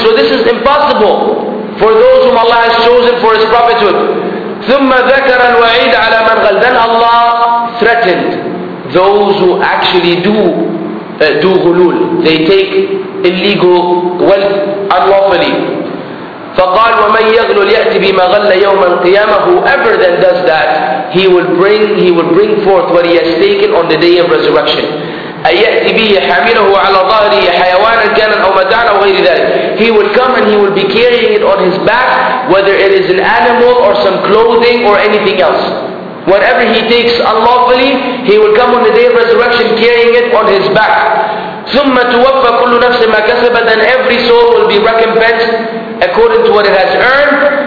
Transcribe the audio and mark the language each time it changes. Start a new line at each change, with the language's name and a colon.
English: So this is impossible for those whom Allah has chosen for His prophethood.
Arabic: ثُمَّ ذَكَرَ الْوَعِيدَ عَلَى مَنْ غَلَّ.
English: Then Allah threatened those who actually do ghulul. They take illegal wealth unlawfully.
Arabic: فقال ومن يغلل يأتي بما غل يوم القيامة.
English: Whoever then does that, he will bring forth what he has taken on the day of resurrection.
Arabic: أيأتي به حامله على ظهره حيوانا كان أو متاعا أو غير ذلك.
English: He will come and he will be carrying it on his back, whether it is an animal or some clothing or anything else. Whatever he takes unlawfully, he will come on the day of resurrection carrying it on his back.
Arabic: ثم توفى كل نفس ما كسبت.
English: Then every soul will be recompensed according to what it has earned.